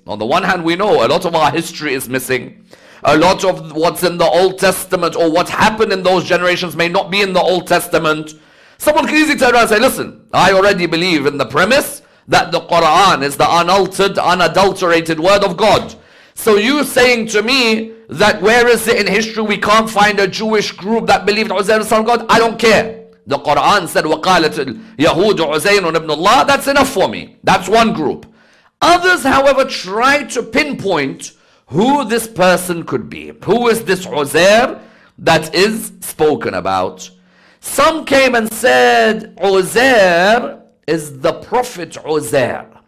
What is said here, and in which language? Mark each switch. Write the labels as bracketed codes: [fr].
[en] On the one hand, we know a lot of our history is missing. A lot of what's in the Old Testament or what happened in those generations may not be in the Old Testament. Someone can easily turn around and say, listen, I already believe in the premise that the Quran is the unaltered, unadulterated word of God. So you saying to me that where is it in history we can't find a Jewish group that believed Uzair is son of God? I don't care. The Quran said, [ar] وَقَالَتِ الْيَهُودُ عُزَيْرٌ ابْنُ اللَّهِ. [en] That's enough for me. That's one group. Others, however, try to pinpoint who this person could be. Who is this Uzair that is spoken about? Some came and said, Uzair is the prophet Uzair.